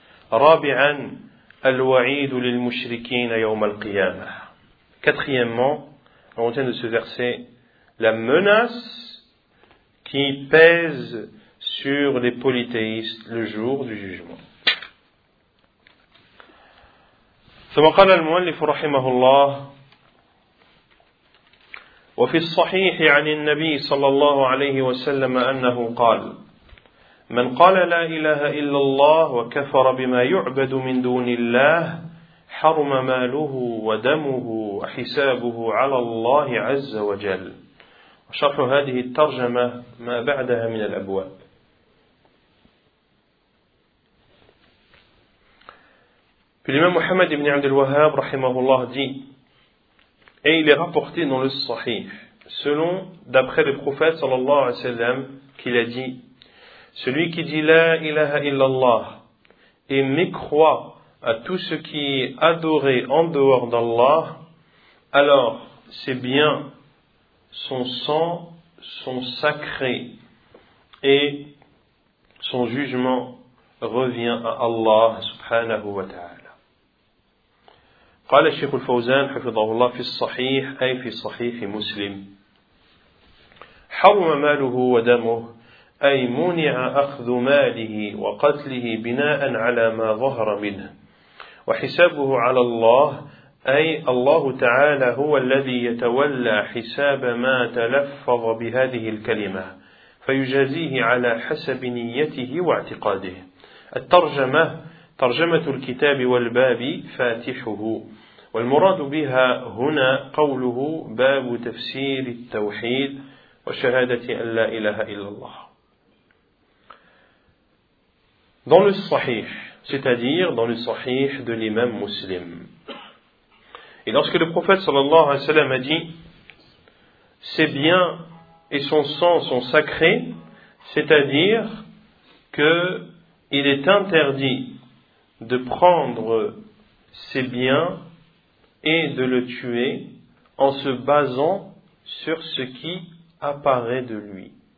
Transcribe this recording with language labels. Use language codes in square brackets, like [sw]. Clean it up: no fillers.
[ar] Rabi'an al-wa'id lil mushrikeen yawm al-qiyamah. [fr] Quatrièmement, on retient de ce verset la menace qui pèse sur les polythéistes le jour du jugement. [ar] ثم قال المؤلف رحمه الله وفي الصحيح عن النبي صلى الله عليه وسلم أنه قال من قال لا إله إلا الله وكفر بما يعبد من دون الله حرم ماله ودمه وحسابه على الله عز وجل. شرح هذه الترجمة ما بعدها من الأبواب. [fr] في الإمام محمد بن عبد الوهاب رحمه الله dit et il est rapporté dans le Sahih selon d'après le prophète sallallahu alayhi wa sallam qu'il a dit celui qui dit la ilaha illallah et mécroit à tout ce qui est adoré en dehors d'Allah alors c'est bien son sang, son sacré et son jugement revient à Allah subhanahu wa ta'ala. [ar] قال الشيخ الفوزان حفظه الله في الصحيح أي في صحيح مسلم حرم ماله ودمه أي منع أخذ ماله وقتله بناء على ما ظهر منه وحسابه على الله أي الله تعالى هو الذي يتولى حساب ما تلفظ بهذه الكلمة فيجازيه على حسب نيته واعتقاده. الترجمة ترجمة الكتاب والباب فاتحه، والمراد بها هنا قوله باب تفسير التوحيد وشهادة أن لا إله إلا الله. [fr] Dans le Sahih, c'est-à-dire dans le Sahih de l'imam Muslim. Et lorsque le prophète sallallahu alayhi wa sallam a dit, ses biens et son sang sont sacrés, c'est-à-dire qu'il est interdit de prendre ses biens et de le tuer en se basant sur ce qui apparaît de lui.